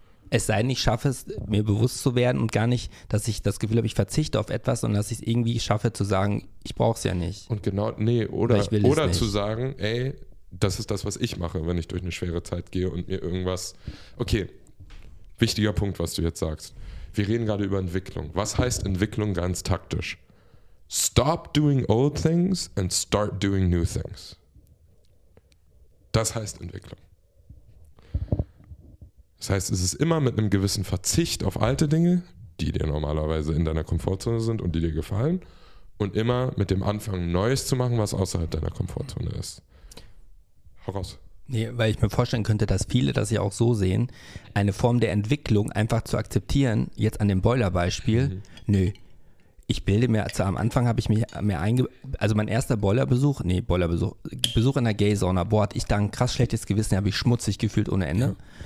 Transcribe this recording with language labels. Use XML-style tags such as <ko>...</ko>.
<de>Es sei denn, ich schaffe es, mir bewusst zu werden und gar nicht, dass ich das Gefühl habe, ich verzichte auf etwas, sondern dass ich es irgendwie schaffe zu sagen, ich brauche es ja nicht. Und genau, nee, oder, ich will oder es nicht. Zu sagen, ey, das ist das, was ich mache, wenn ich durch eine schwere Zeit gehe und mir irgendwas, okay, wichtiger Punkt, was du jetzt sagst. Wir reden gerade über Entwicklung. Was heißt Entwicklung ganz taktisch?</de> <en>Stop doing old things and start doing new things.</en> <de>Das heißt Entwicklung. Das heißt, es ist immer mit einem gewissen Verzicht auf alte Dinge, die dir normalerweise in deiner Komfortzone sind und die dir gefallen, und immer mit dem Anfang, Neues zu machen, was außerhalb deiner Komfortzone ist. Hau raus. Nee, weil ich mir vorstellen könnte, dass viele das ja auch so sehen, eine Form der Entwicklung einfach zu akzeptieren, jetzt an dem Boiler-Beispiel, nö, ich bilde mir, also am Anfang habe ich mich mehr also mein erster Boiler-Besuch, nee, Besuch in der Gay-Sauna, boah, hatte ich da ein krass schlechtes Gewissen, habe ich schmutzig gefühlt ohne Ende. Ja.</de>